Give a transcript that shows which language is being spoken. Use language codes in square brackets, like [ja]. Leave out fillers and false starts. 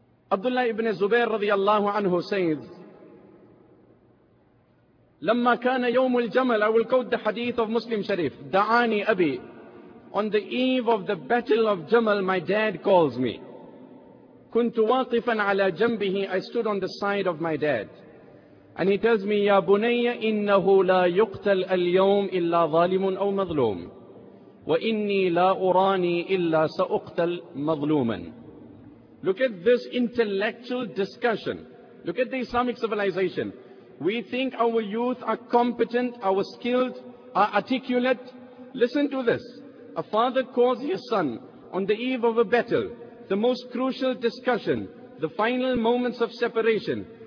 [en] Abdullah ibn Zubair radiallahu anhu says, [ar] لما كان يوم الجمل, [en] I will quote the hadith of Muslim Sharif, [ar] دعاني أبي, [en] on the eve of the battle of Jamal, my dad calls me. [ar] كنت واقفا على جنبه, [en] I stood on the side of my dad. And he tells me, [ar] يا بني إنه لا يقتل اليوم إلا ظالم أو مظلوم وإني لا أراني إلا سأقتل مظلوما. [en] Look at this intellectual discussion. Look at the Islamic civilization. We think our youth are competent, our skilled, are articulate. Listen to this. A father calls his son on the eve of a battle, the most crucial discussion, the final moments of separation.